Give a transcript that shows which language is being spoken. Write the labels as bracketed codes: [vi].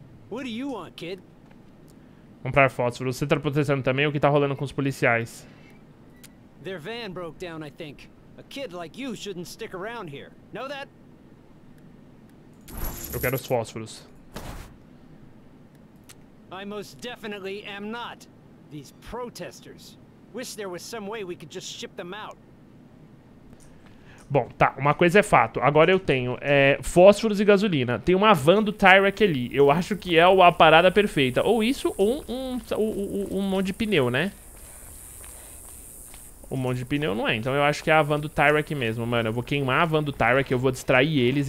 [en] What do you want, kid? [pt] Comprar fotos. Você tá protestando também? O que tá rolando com os policiais? [en] Their van broke down, I think. A kid like you shouldn't stick around here. Know that? [pt] Eu quero os fósforos. [en] I most definitely am not. These protesters. Wish there was some way we could just ship them out. [pt] Bom, tá, uma coisa é fato. Agora eu tenho fósforos e gasolina. Tem uma van do Tyrak ali. Eu acho que é a parada perfeita. Ou isso, ou um monte de pneu, né? Um monte de pneu não é. Então eu acho que é a van do Tyrak mesmo, mano. Eu vou queimar a van do Tyrak, eu vou distrair eles.